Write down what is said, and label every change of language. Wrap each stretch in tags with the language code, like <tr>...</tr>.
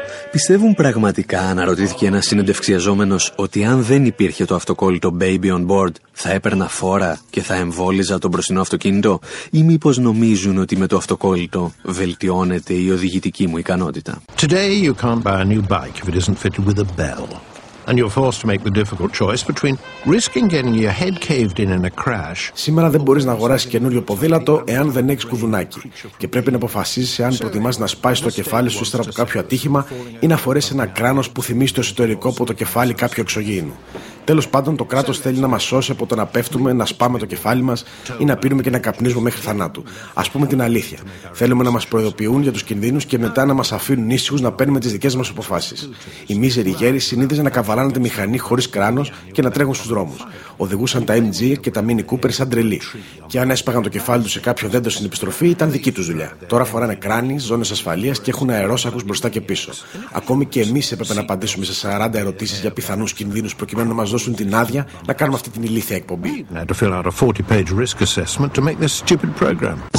<el>Πιστεύουν πραγματικά, αναρωτήθηκε ένας συνεντευξιαζόμενος, ότι αν δεν υπήρχε το αυτοκόλλητο</el> <en>baby on board,</en> <el>θα έπαιρνα φόρα και θα εμβόλιζα το μπροστινό αυτοκίνητο, ή μήπως νομίζουν ότι με το αυτοκόλλητο βελτιώνεται η οδηγητική μου ικανότητα.</el> <en>Today you can't buy a new bike if it isn't fitted with a bell. And you're forced to make the difficult choice between risking getting your head caved in a crash.</en> <el>Σήμερα δεν μπορείς να αγοράσεις καινούριο ποδήλατο εάν δεν έχεις κουδουνάκι. Και πρέπει να αποφασίσεις εάν προτιμάς να σπάσεις το κεφάλι σου ύστερα από κάποιο ατύχημα ή να φορέσεις ένα κράνος που θυμίζει το εσωτερικό από το κεφάλι κάποιου εξωγήινου. Τέλος πάντων, το κράτος θέλει να μας σώσει από το να πέφτουμε, να σπάμε το κεφάλι μας ή να πίνουμε και να καπνίζουμε μέχρι θανάτου. Ας πούμε την αλήθεια. Θέλουμε να μας προειδοποιούν για τους κινδύνους και μετά να μας αφήνουν ήσυχους να παίρνουμε τις δικές μας αποφάσεις. Οι μίζεροι γέροι συνήθιζαν να καβαλάνε τη μηχανή χωρίς κράνος και να τρέχουν στους δρόμους. Οδηγούσαν τα MG και τα Mini Cooper σαν τρελοί. Και αν έσπαγαν το κεφάλι τους σε κάποιο δέντρο στην επιστροφή, ήταν δική τους δουλειά. Τώρα φοράνε κράνη, ζώνες ασφαλείας και έχουν αερόσακους μπροστά και πίσω. Ακόμη και εμείς έπρεπε να απαντήσουμε σε 40 ερωτήσεις για πιθανούς κινδύνους προκειμένου να μας δώσουν την άδεια να κάνουμε αυτή την ηλίθια εκπομπή.</el> <en>Yeah, 40-page risk assessment to make this stupid program.</en>